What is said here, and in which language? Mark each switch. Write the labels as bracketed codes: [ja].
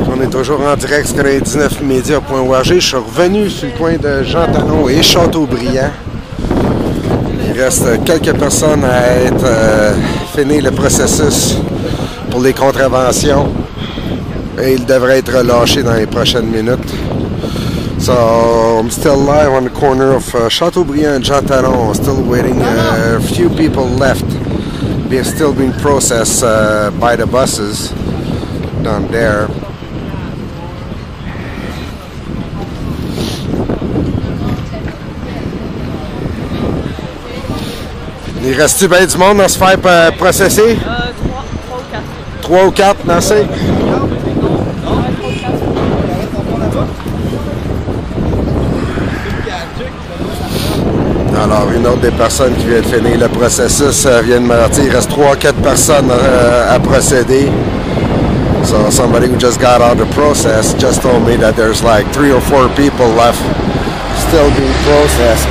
[fr] Toujours en direct sur 19media.org. Je suis revenu sur le coin de Jean Talon et Châteaubriant. Il reste quelques personnes à être finir le processus pour les contraventions. Et ils devraient être relâchés dans les prochaines minutes. [en] So, I'm still live on the corner of Châteaubriant and Jean Talon. Still waiting a few people left. They're still being processed by the buses down there. [fr] Il reste-tu bien du monde à se faire processer? 3 ou 4. 3 ou 4, non, c'est? Alors, une autre des personnes qui vient de finir le processus vient de me dire qu'il reste 3 ou 4 personnes à procéder. [en] So, somebody who just got out of the process just told me that there's like 3 or 4 people left still being processed.